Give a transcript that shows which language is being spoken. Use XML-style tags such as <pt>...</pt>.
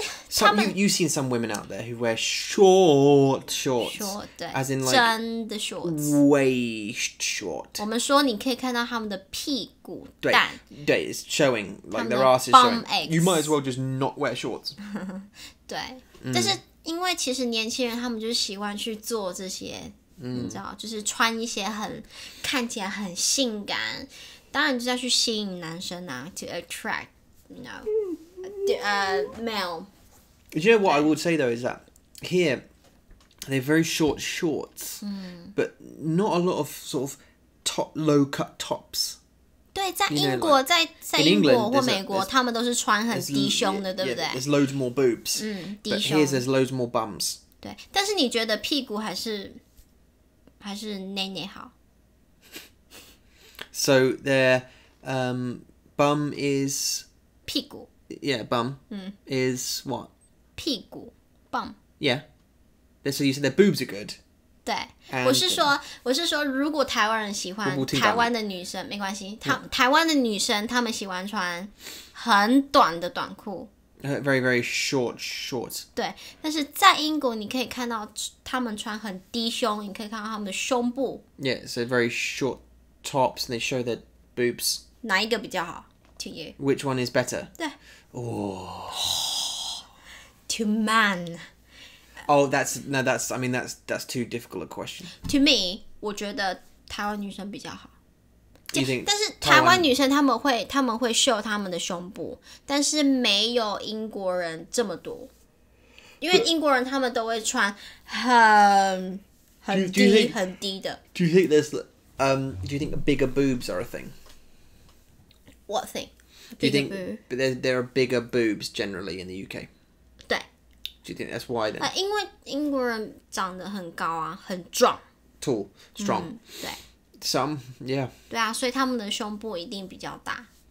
<en>Some you seen some women out there who wear short shorts,</en> <zh>对</zh> <en>as in like</en> <zh>真的 shorts,</zh> <en>waist short.</en> <zh>我们说你可以看到他们的屁股蛋，</zh> <en>对 it's showing like their ass is showing. You might as well just not wear shorts.</en> <zh>对，但是因为其实年轻人他们就喜欢去做这些，你知道，就是穿一些很看起来很性感，当然就是要去吸引男生啊 ，</zh> <en>to attract, you know. Male. Do you know what I would say though is that here they're very short shorts, but not a lot of sort of top low cut tops.</en> <zh>对，在英国，在英国或美国，他们都是穿很低胸的，对不对？</zh> <en>There's loads more boobs.</en> <zh>低胸。</zh> <en>But here there's loads more bums.</en> <zh>对，但是你觉得屁股还是内内好？</zh> <en>So their bum is</en> <zh>屁股。</zh> <en>Yeah, bum is what?</en> <zh>屁股 bum.</zh> <en>Yeah. So you said their boobs are good.</en> <zh>对，我是说，如果台湾人喜欢台湾的女生，没关系。台湾的女生，她们喜欢穿很短的短裤。</zh> <en>Very very short shorts.</en> <zh>对，但是在英国你可以看到她们穿很低胸，你可以看到她们的胸部。</zh> <en>Yeah, so very short tops, and they show their boobs.</en> <zh>哪一个比较好？</zh> <en>To you. Which one is better? To man. Oh, that's too difficult a question. To me,</en> <zh>我觉得台湾女生比较好。</zh> <en>You think?</en> <zh>但是台湾女生她们会秀她们的胸部，但是没有英国人这么多，因为英国人他们都会穿很低的。</zh> <en>Do you think there's do you think bigger boobs are a thing? What thing? Do you think there are bigger boobs generally in the UK?</en> <zh>对.</zh> <en>Do you think that's why then?</en> <zh>因为英国人长得很高啊，很壮。</zh> <en>Tall, strong.</en> <zh>对.</zh> <en>Some, yeah.</en> <zh>对啊，所以他们的胸部一定比较大。</zh>